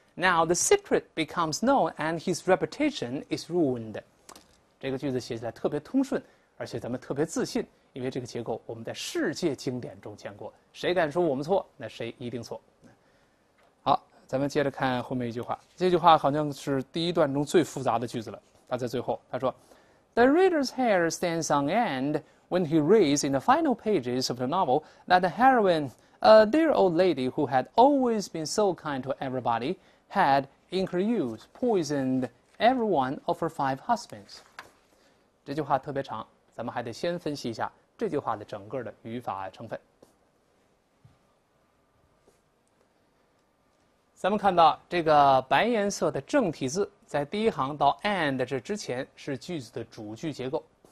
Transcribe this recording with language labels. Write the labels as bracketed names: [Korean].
[English] Now the secret becomes known and his reputation is ruined. [Chinese] 这个句子写起来特别通顺，而且咱们特别自信，因为这个结构我们在世界经典中见过。谁敢说我们错，那谁一定错。好，咱们接着看后面一句话。这句话好像是第一段中最复杂的句子了。他在最后，他说 [English] ,The reader's hair stands on end when he reads in the final pages of the novel that the heroine, a dear old lady who had always been so kind to everybody,had, in her youth, poisoned every one of her five husbands. [Chinese] 这句话特别长，咱们还得先分析一下这句话的整个的语法成分。咱们看到这个白颜色的正体字，在第一行到 and 这之前是句子的主句结构。